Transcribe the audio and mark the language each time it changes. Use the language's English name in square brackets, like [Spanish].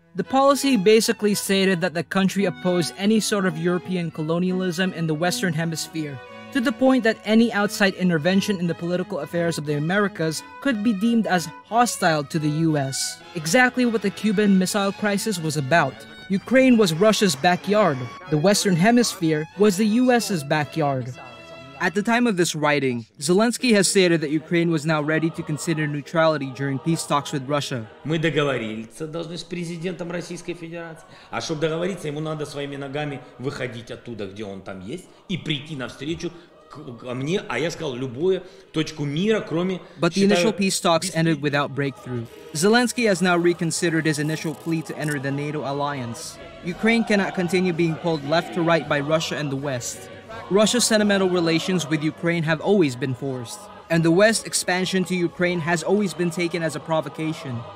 [English] The policy basically stated that the country opposed any sort of European colonialism in the Western Hemisphere, to the point that any outside intervention in the political affairs of the Americas could be deemed as hostile to the US. Exactly what the Cuban Missile Crisis was about. Ukraine was Russia's backyard. The Western Hemisphere was the US's backyard. At the time of this writing, Zelensky has stated that Ukraine was now ready to consider neutrality during peace talks with Russia. [Russian] Мы договорились должны с президентом Российской Федерации. А чтобы договориться, ему надо своими ногами выходить оттуда, где он там есть, и прийти навстречу ко мне, а я сказал любую точку мира, кроме [English] But the initial peace talks ended without breakthrough. Zelensky has now reconsidered his initial plea to enter the NATO alliance. Ukraine cannot continue being pulled left to right by Russia and the West. Russia's sentimental relations with Ukraine have always been forced, and the West's expansion to Ukraine has always been taken as a provocation.